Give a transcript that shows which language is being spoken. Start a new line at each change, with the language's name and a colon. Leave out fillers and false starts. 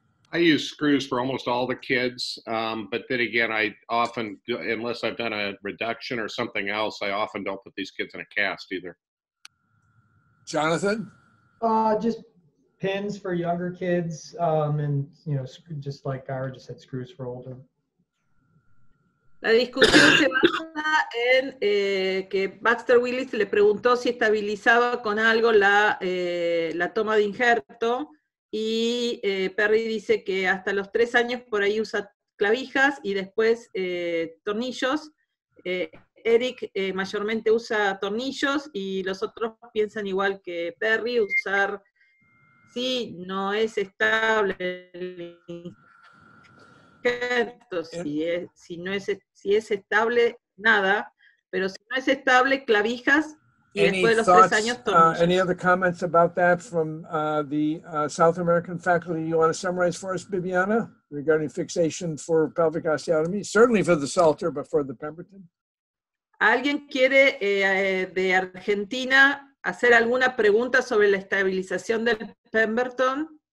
English: I use screws for almost all the kids, but then again, I often, unless I've done a reduction or something else, I often don't put these kids in a cast either. Jonathan? Just pins for younger kids, and you know, just like Ira just said, screws for older.
Spanish: La discusión se basa en que Baxter Willis le preguntó si estabilizaba con algo la la toma de injerto, y Perry dice que hasta los 3 años por ahí usa clavijas y después tornillos. Eric mayormente usa tornillos y los otros piensan igual que Perry, usar. Sí, no es estable el injerto, si es estable, nada, pero si no es estable, clavijas y después de los 3 años, tornillos.
English: Any other comments about that from the South American faculty you want to summarize for us, Bibiana, regarding fixation for pelvic osteotomy? Certainly for the Salter, but for the Pemberton.
Spanish: ¿Alguien quiere de Argentina hacer alguna pregunta sobre la estabilización del Pemberton?